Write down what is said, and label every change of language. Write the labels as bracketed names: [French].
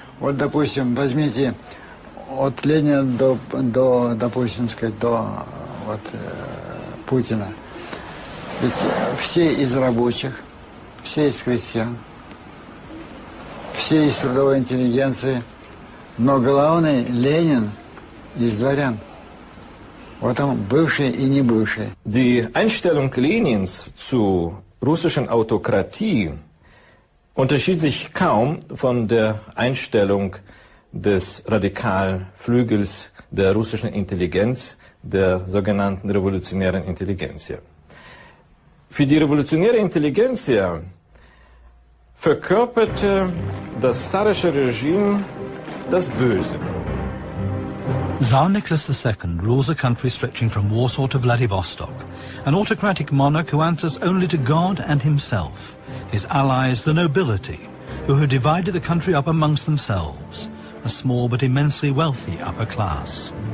[Russian] Вот, допустим, возьмите от Ленина до допустим, сказать, до вот Путина. Ведь все из рабочих, все из крестьян, все из трудовой интеллигенции. Но главный Ленин из дворян. Вот он, бывший и не бывший. [German] Die Einstellung Lenins zu russischen Autokratie unterschied sich kaum von der Einstellung des radikalen Flügels der russischen Intelligenz, der sogenannten revolutionären Intelligenz. Für die revolutionäre Intelligenz verkörperte das zarische Regime das Böse. [English] Tsar Nicholas II rules a country stretching from Warsaw to Vladivostok, an autocratic monarch who answers only to God and himself, his allies, the nobility, who have divided the country up amongst themselves, a small but immensely wealthy upper class.